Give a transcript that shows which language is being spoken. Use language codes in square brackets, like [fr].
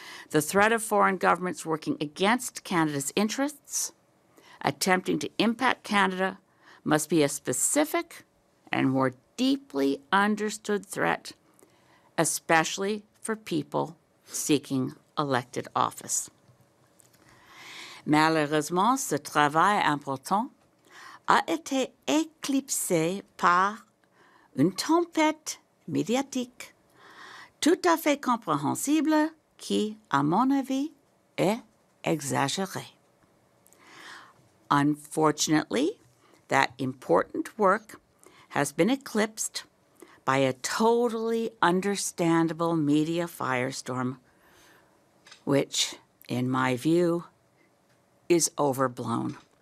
[en] The threat of foreign governments working against Canada's interests, attempting to impact Canada, must be a specific and more deeply understood threat, especially for people seeking elected office. [fr] Malheureusement, ce travail important a été éclipsé par une tempête médiatique tout à fait compréhensible qui, à mon avis, est exagérée. [en] Unfortunately, that important work has been eclipsed by a totally understandable media firestorm, which, in my view, is overblown.